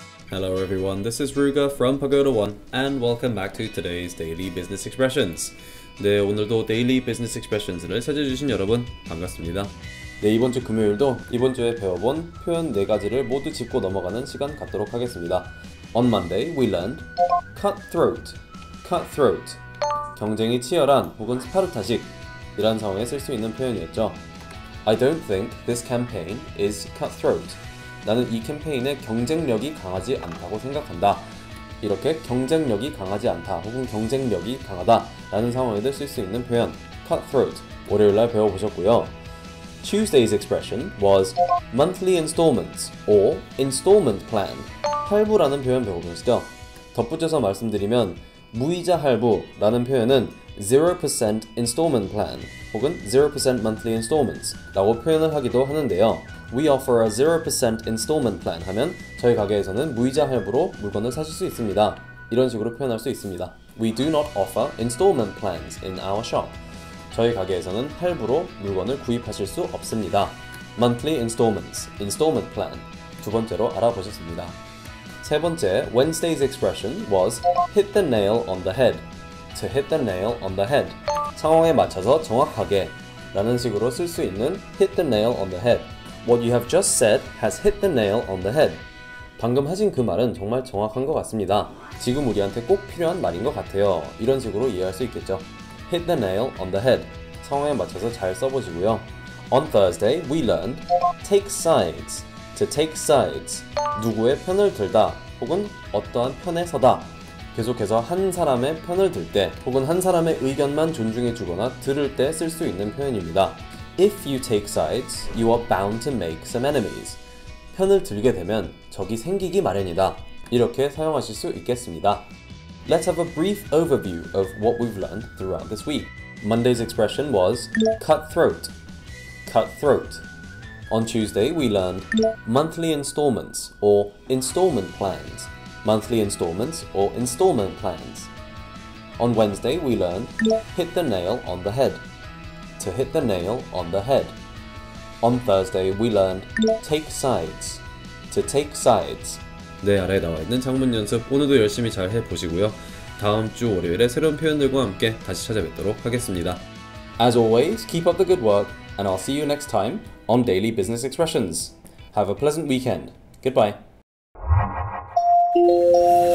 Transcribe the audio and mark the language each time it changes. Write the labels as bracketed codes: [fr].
[en] Hello everyone, this is Ruga from Pagoda One and welcome back to today's Daily Business Expressions. [ko] 네, 오늘도 Daily Business Expressions를 찾아주신 여러분 반갑습니다. 네, 이번 주 금요일도 이번 주에 배워본 표현 네 가지를 모두 짚고 넘어가는 시간 갖도록 하겠습니다. [en] On Monday, we learned cutthroat, cutthroat. [ko] 경쟁이 치열한 혹은 스파르타식 이란 상황에 쓸 수 있는 표현이었죠. [en] I don't think this campaign is cutthroat. [ko] 나는 이 캠페인의 경쟁력이 강하지 않다고 생각한다. 이렇게 경쟁력이 강하지 않다 혹은 경쟁력이 강하다 라는 상황에도 쓸 수 있는 표현 cutthroat 월요일날 배워보셨고요. [en] Tuesday's expression was monthly installments or installment plan. [ko] 할부라는 표현 배워보셨죠? 덧붙여서 말씀드리면 무이자 할부라는 표현은 0% installment plan 혹은 0% monthly installments 라고 표현을 하기도 하는데요. [en] We offer a 0% installment plan [ko] 하면 저희 가게에서는 무이자 할부로 물건을 사실 수 있습니다. 이런 식으로 표현할 수 있습니다. [en] We do not offer installment plans in our shop. [ko] 저희 가게에서는 할부로 물건을 구입하실 수 없습니다. Monthly installments, installment plan 두 번째로 알아보셨습니다. 세 번째, [en] Wednesday's expression was hit the nail on the head. To hit the nail on the head. [ko] 상황에 맞춰서 정확하게 라는 식으로 쓸 수 있는 [en] hit the nail on the head. What you have just said has hit the nail on the head. [ko] 방금 하신 그 말은 정말 정확한 것 같습니다. 지금 우리한테 꼭 필요한 말인 것 같아요. 이런 식으로 이해할 수 있겠죠. [en] Hit the nail on the head. [ko] 상황에 맞춰서 잘 써보시고요. [en] On Thursday, we learned take sides. To take sides. [ko] 누구의 편을 들다 혹은 어떠한 편에 서다. 계속해서 한 사람의 편을 들 때 혹은 한 사람의 의견만 존중해 주거나 들을 때 쓸 수 있는 표현입니다. [en] If you take sides, you are bound to make some enemies. [ko] 편을 들게 되면 적이 생기기 마련이다. 이렇게 사용하실 수 있겠습니다. [en] Let's have a brief overview of what we've learned throughout this week. Monday's expression was cutthroat. Cutthroat. On Tuesday, we learned monthly installments or installment plans. Monthly installments or installment plans. On Wednesday, we learned hit the nail on the head. To hit the nail on the head. On Thursday, we learned take sides. To take sides. [ko] 네, 아래에 나와 있는 장문 연습 오늘도 열심히 잘 해보시고요. 다음 주 월요일에 새로운 표현들과 함께 다시 찾아뵙도록 하겠습니다. [en] As always, keep up the good work, and I'll see you next time on Daily Business Expressions. Have a pleasant weekend. Goodbye.